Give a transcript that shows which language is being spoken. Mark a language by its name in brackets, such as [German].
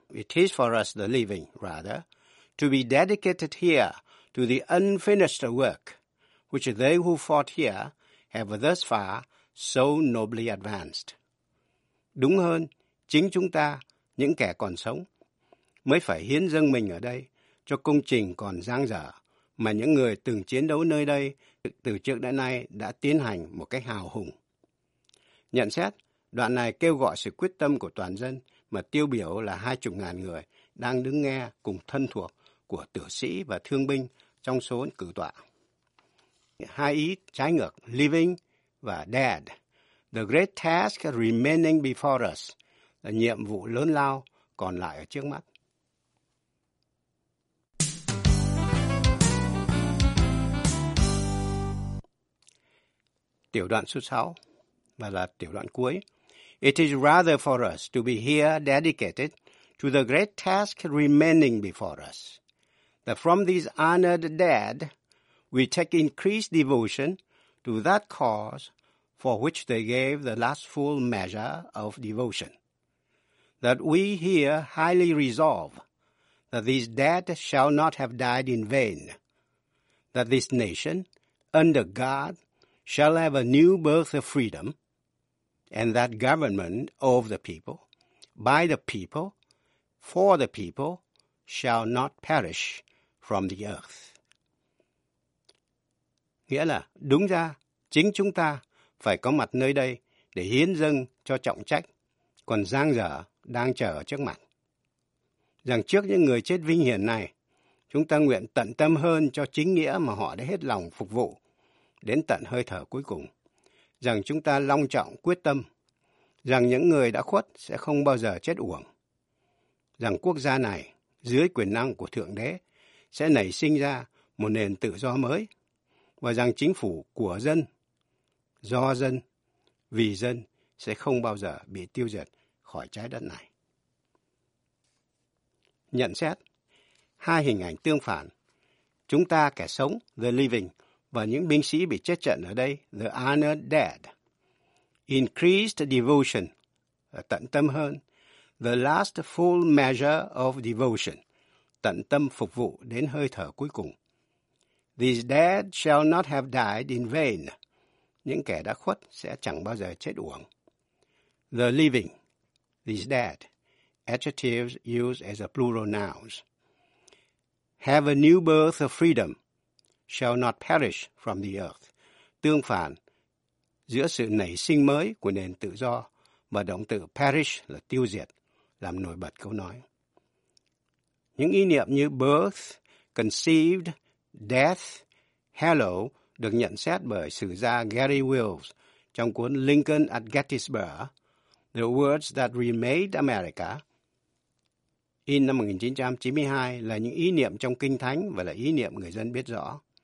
[English] It is for us the living, rather, to be dedicated here to the unfinished work which they who fought here have thus far so nobly advanced. [Vietnamese] Đúng hơn, chính chúng ta, những kẻ còn sống, mới phải hiến dâng mình ở đây cho công trình còn dang dở mà những người từng chiến đấu nơi đây từ trước đến nay đã tiến hành một cách hào hùng. Nhận xét, đoạn này kêu gọi sự quyết tâm của toàn dân mà tiêu biểu là 20.000 người đang đứng nghe cùng thân thuộc của tử sĩ và thương binh trong số cử tọa. Hai ý trái ngược, living và dead. [English] The great task remaining before us [Vietnamese] là nhiệm vụ lớn lao còn lại ở trước mắt. Tiểu đoạn số 6 và là tiểu đoạn cuối. [English] It is rather for us to be here dedicated to the great task remaining before us, that from these honored dead, we take increased devotion to that cause for which they gave the last full measure of devotion, that we here highly resolve that these dead shall not have died in vain, that this nation, under God, shall have a new birth of freedom, and that government of the people, by the people, for the people, shall not perish from the earth. [Vietnamese] Nghĩa là, đúng ra, chính chúng ta phải có mặt nơi đây để hiến dâng cho trọng trách, còn giang dở đang chờ trước mặt. Rằng trước những người chết vinh hiển này, chúng ta nguyện tận tâm hơn cho chính nghĩa mà họ đã hết lòng phục vụ, đến tận hơi thở cuối cùng. Rằng chúng ta long trọng quyết tâm, rằng những người đã khuất sẽ không bao giờ chết uổng, rằng quốc gia này, dưới quyền năng của Thượng Đế, sẽ nảy sinh ra một nền tự do mới, và rằng chính phủ của dân, do dân, vì dân sẽ không bao giờ bị tiêu diệt khỏi trái đất này. Nhận xét, hai hình ảnh tương phản, chúng ta kẻ sống, [English] the living, [Vietnamese] và những binh sĩ bị chết trận ở đây, [English] the honored dead. Increased devotion, [Vietnamese] tận tâm hơn. [English] The last full measure of devotion, [Vietnamese] tận tâm phục vụ đến hơi thở cuối cùng. [English] These dead shall not have died in vain. [Vietnamese] Những kẻ đã khuất sẽ chẳng bao giờ chết uổng. [English] The living, these dead, adjectives used as a plural nouns, have a new birth of freedom, shall not perish from the earth. [Vietnamese] Tương phản, giữa sự nảy sinh mới của nền tự do và động từ perish là tiêu diệt, làm nổi bật câu nói. Những ý niệm như birth, conceived, death, hallow được nhận xét bởi sử gia Gary Wills trong cuốn Lincoln at Gettysburg, The Words That Remade America, in năm 1992, là những ý niệm trong Kinh Thánh và là ý niệm người dân biết rõ.